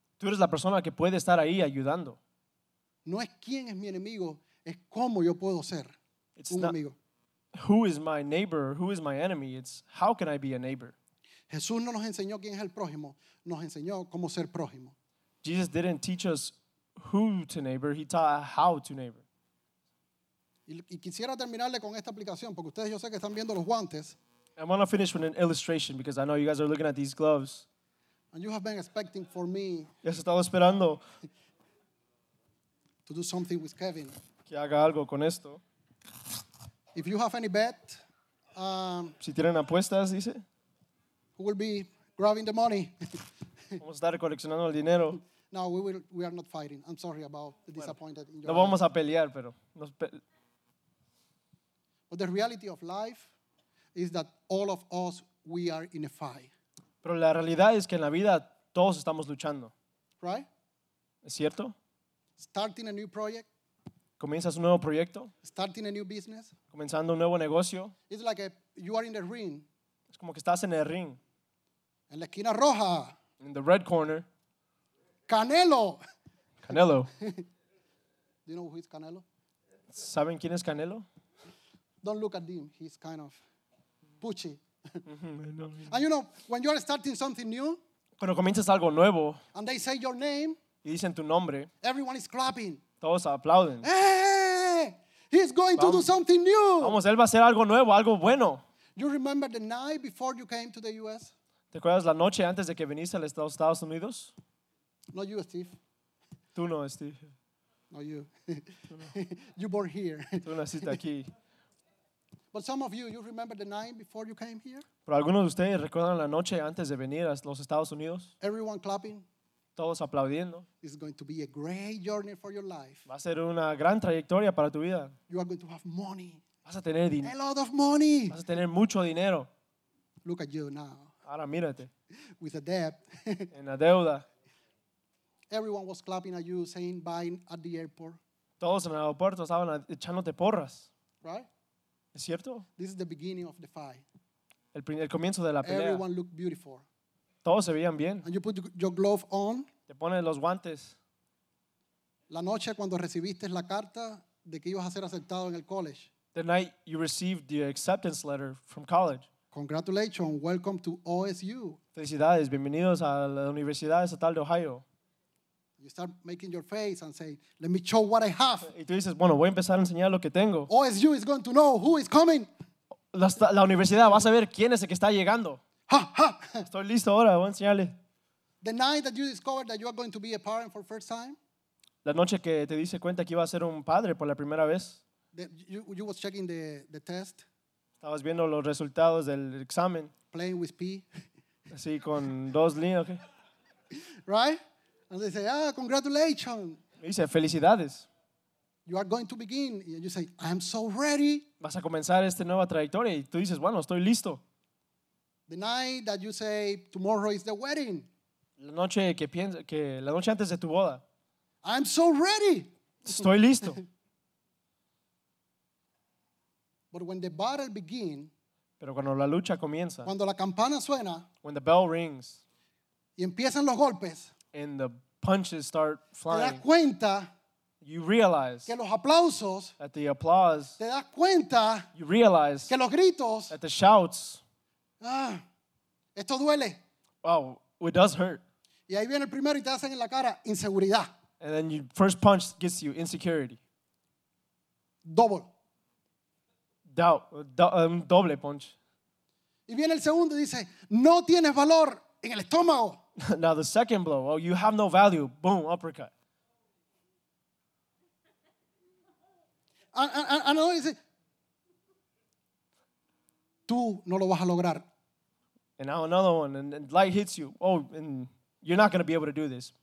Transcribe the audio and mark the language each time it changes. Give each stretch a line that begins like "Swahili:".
Spanish: Tú eres la persona que puede estar ahí ayudando. No es quién es mi enemigo, es cómo yo puedo ser un amigo.
English: Who is my neighbor? Who is my enemy? It's how can I be a neighbor?
Spanish: Jesús no nos enseñó quién es el prójimo, nos enseñó cómo ser prójimo.
English: Jesus didn't teach us who to neighbor, he taught how to neighbor.
Spanish: Y quisiera terminarle con esta aplicación porque ustedes yo sé que están viendo los guantes.
English: I want to finish with an illustration because I know you guys are looking at these gloves. And you have been expecting for me.
Spanish: Ya se estaba esperando.
English: To do something with Kevin.
Spanish: Que haga algo con esto.
English: If you have any bet,
Spanish: si tienen apuestas, dice.
English: Who will be grabbing the money?
Spanish: Vamos a estar coleccionando el dinero.
English: No, we are not fighting. I'm sorry about the disappointed.
Spanish: No vamos a pelear, pero.
English: But the reality of life is that all of us, we are in a fight.
Spanish: Pero la realidad es que en la vida todos estamos luchando.
English: Right?
Spanish: ¿Es cierto?
English: Starting a new project.
Spanish: ¿Comienzas un nuevo proyecto?
English: Starting a new business.
Spanish: ¿Comenzando un nuevo negocio?
English: It's like you are in the ring.
Spanish: Es como que estás en el ring. En la esquina roja.
English: In the red corner. Canelo.
Spanish: Canelo.
English: Do you know who is Canelo?
Spanish: ¿Saben quién es Canelo?
English: Don't look at him. He's kind of... Puchi. And you know, when you're starting something new,
Spanish: cuando comienzas algo nuevo,
English: and they say your name,
Spanish: y dicen tu nombre,
English: everyone is clapping.
Spanish: Todos aplauden.
English: Hey, he's going to do something new.
Spanish: Vamos, él va a hacer algo nuevo, algo bueno.
English: You remember the night before you came to the U.S.?
Spanish: ¿Te acuerdas la noche antes de que viniste a los Estados Unidos?
English: Not you, Steve.
Spanish: Tú no, Steve.
English: Not you. You born here.
Spanish: Tú naciste aquí.
English: But some of you, you remember the night before you came here?
Spanish: Pero algunos de ustedes recuerdan la noche antes de venir a los Estados Unidos.
English: Everyone clapping.
Spanish: Todos aplaudiendo.
English: It's going to be a great journey for your life.
Spanish: Va a ser una gran trayectoria para tu vida.
English: You are going to have money.
Spanish: Vas a tener dinero.
English: A lot of money.
Spanish: Vas a tener mucho dinero.
English: Look at you now.
Spanish: Ahora mírate.
English: With a debt.
Spanish: En la deuda.
English: Everyone was clapping at you, saying bye at the airport.
Spanish: Todos en el aeropuerto estaban echándote porras.
English: Right?
Spanish: ¿Es cierto?
English: This is the beginning of the fight.
Spanish: El comienzo de la pelea.
English: Everyone looked beautiful.
Spanish: Todos se veían bien.
English: And you put your glove on.
Spanish: Te pones los guantes. La noche cuando recibiste la carta de que ibas a ser aceptado en el college.
English: The night you received the acceptance letter from college. Congratulations, welcome to OSU.
Spanish: Felicidades, bienvenidos a la Universidad Estatal de Ohio.
English: You start making your face and say, "Let me show what I have."
Spanish: Y tú dices, bueno, voy a empezar a enseñar lo que tengo.
English: OSU is going to know who is coming.
Spanish: La universidad va a saber quién es el que está llegando. Ha, ha. Estoy listo ahora, voy a enseñarle.
English: The night that you discover that you are going to be a parent for the first time.
Spanish: La noche que te diste cuenta que iba a ser un padre por la primera vez.
English: You was checking the test.
Spanish: Estabas viendo los resultados del examen.
English: Playing with P.
Spanish: Así con dos líneas. Okay.
English: Right? And they say, congratulations.
Spanish: Me dice, felicidades.
English: You are going to begin. And you say, I'm so ready.
Spanish: Vas a comenzar esta nueva trayectoria. Y tú dices, bueno, estoy listo.
English: The night that you say, tomorrow is the wedding.
Spanish: La noche que piensas, que la noche antes de tu boda.
English: I'm so ready.
Spanish: Estoy listo.
English: But when the battle begins.
Spanish: Pero cuando la lucha comienza. Cuando la campana suena.
English: When the bell rings.
Spanish: Y empiezan los golpes.
English: And the punches start flying.
Spanish: Te das cuenta,
English: you realize
Spanish: que los aplausos,
English: that the applause,
Spanish: te das cuenta,
English: you realize
Spanish: que los gritos,
English: that the shouts,
Spanish: esto duele.
English: Wow, it does hurt.
Spanish: Y ahí viene el primero y te hacen en la cara inseguridad.
English: And then your first punch gets you insecurity. Double. Doubt. Doble punch.
Spanish: Y viene el segundo y dice, no tienes valor en el estómago.
English: Now the second blow, oh, you have no value. Boom, uppercut. And you say,
Spanish: tú no lo vas a lograr.
English: And now another one, and light hits you. Oh, and you're not going to be able to do this.